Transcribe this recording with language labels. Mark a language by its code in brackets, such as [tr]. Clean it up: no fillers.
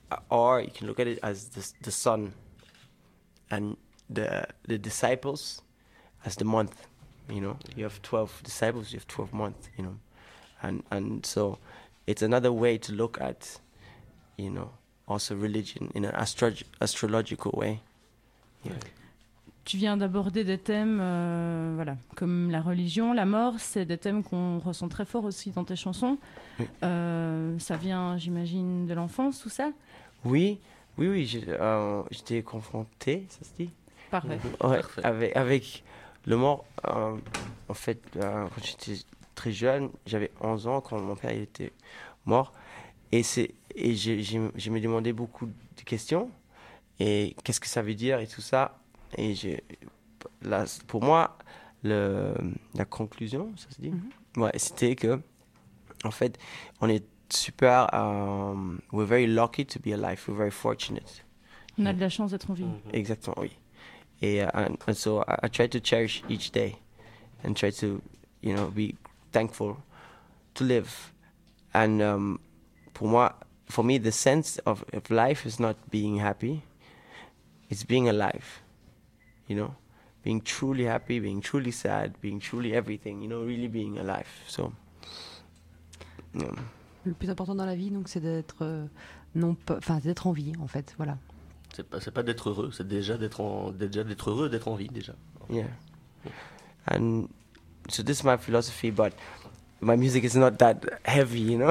[en] or you can look at it as the sun and the disciples as the month, you know. You have 12 disciples, you have 12 months, you know. And so it's another way to look at, you know, also religion in an astrological way. Yeah. Okay. [fr] Tu viens d'aborder des thèmes voilà, comme la religion, la mort, c'est des thèmes qu'on ressent très fort aussi dans tes chansons. Oui. Ça vient, j'imagine, de l'enfance, tout ça? Oui, oui, oui, j'étais confronté, ça se dit. Parfait. Ouais, avec le mort, en fait, quand j'étais très jeune, j'avais 11 ans quand mon père il était mort. Et je me demandais beaucoup de questions. Et qu'est-ce que ça veut dire et tout ça? Et là, pour moi, la conclusion, ça se dit, ouais, c'était que, en fait, on est super, [en] we're very lucky to be alive, we're very fortunate. [fr] On a de la chance d'être en vie. Mm-hmm. Exactement, oui. [en] And so I try to cherish each day and try to, you know, be thankful to live. And for me, the sense of life is not being happy, it's being alive. You know, being truly happy, being truly sad, being truly everything, you know, really being alive. So, yeah. [fr] Le plus important dans la vie, donc, c'est d'être, d'être en vie, en fait, voilà. C'est pas d'être heureux, c'est déjà d'être heureux, d'être en vie, déjà. [en] Okay. Yeah. And so this is my philosophy, but my music is not that heavy, you know.